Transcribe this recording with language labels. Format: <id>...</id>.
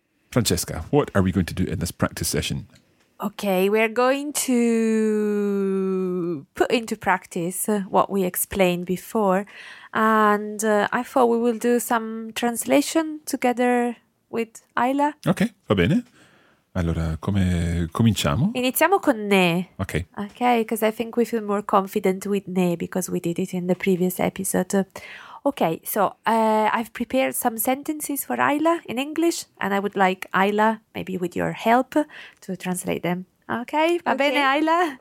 <en>Francesca, what are we going to do in this practice session? Okay, we're going to put into practice what we explained before. And I thought we will do some translation together with Ayla.</en> <it>Okay, va bene. Allora, come cominciamo? Iniziamo con ne.</it> <en>Okay. Okay, because I think we feel more confident with ne because we did it in the previous episode. Okay, so I've prepared some sentences for Ayla in English, and I would like Ayla, maybe with your help, to translate them.</en> <it>Okay, va bene, Ayla.</it>